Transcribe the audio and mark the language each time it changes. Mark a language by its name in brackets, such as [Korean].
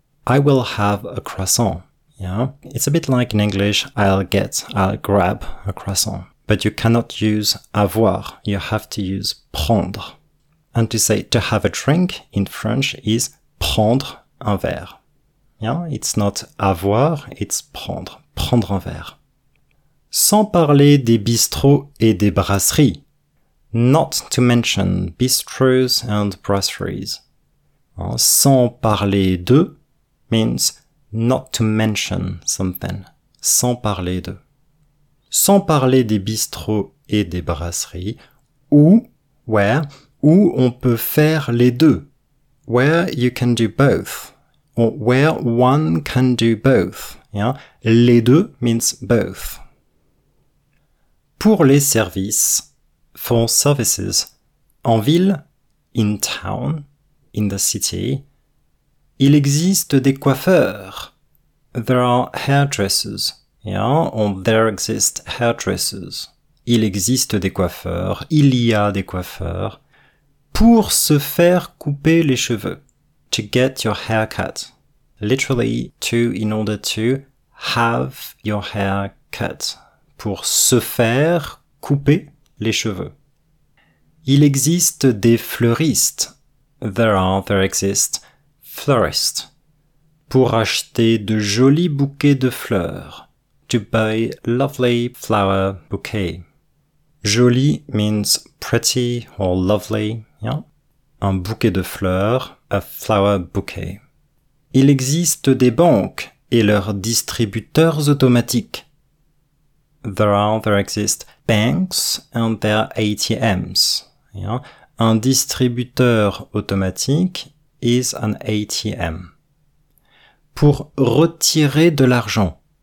[English] I will have a croissant. Yeah. It's a bit like in English, I'll grab a croissant. But you cannot use avoir, you have to use prendre. And to say to have a drink in French is prendre un verre. Yeah, it's not avoir, it's prendre, prendre un verre. [French] Sans parler des bistrots et des brasseries. [English] Not to mention bistros and brasseries. Sans parler de means not to mention something. [French] Sans parler de. Sans parler des bistrots et des brasseries, où on peut faire les deux. [English] Where you can do both. Or where one can do both. Yeah? Les deux means both. [French] Pour les services, [English] for services, [French] en ville, [English] in town, in the city, [French] il existe des coiffeurs. [English] There are hairdressers. Yeah, or there exist hairdressers. [French] Il existe des coiffeurs, il y a des coiffeurs. Pour se faire couper les cheveux. [English] To get your hair cut. Literally, to in order to have your hair cut. [French] Pour se faire couper les cheveux. Il existe des fleuristes. [English] There exist florists. [French] Pour acheter de jolis bouquets de fleurs. [English] To buy lovely flower bouquet. Joli means pretty or lovely, yeah? [French] Un bouquet de fleurs, [English] a flower bouquet. [French] Il existe des banques et leurs distributeurs automatiques. [English] There exist banks and their ATMs, yeah? Un distributeur automatique is an ATM. [French] Pour retirer de l'argent.